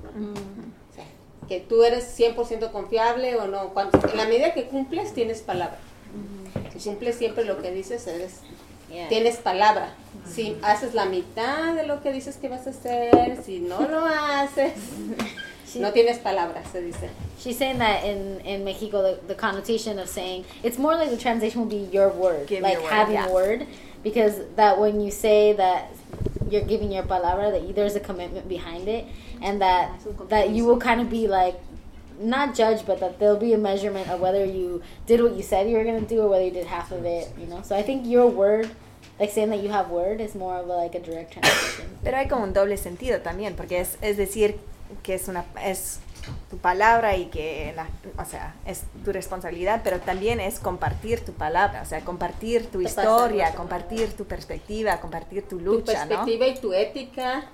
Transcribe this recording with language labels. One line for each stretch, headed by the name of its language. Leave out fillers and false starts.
Spanish: Uh-huh. O sea, que tú eres 100% confiable o no. En la medida que cumples, tienes palabra. Uh-huh. Si cumples siempre lo que dices, eres... Yeah. Tienes palabra. Uh-huh. Si haces la mitad de lo que dices que vas a hacer, si no lo haces, no tienes palabra, se dice.
English: She's saying that in Mexico, the connotation of saying, it's more like the translation would be your word, give your word, having yeah, word, because that when you say that you're giving your palabra, that there's a commitment behind it, and that you will kind of be like, not judge, but that there'll be a measurement of whether you did what you said you were going to do or whether you did half of it, you know? So I think your word, like saying that you have word, is more of a, like a direct translation.
Spanish: Pero hay como un doble sentido también, porque es decir que es tu palabra y que, o sea, es tu responsabilidad, pero también es compartir tu palabra, o sea, compartir tu historia, compartir tu perspectiva, compartir tu lucha, ¿no? Tu perspectiva y tu ética.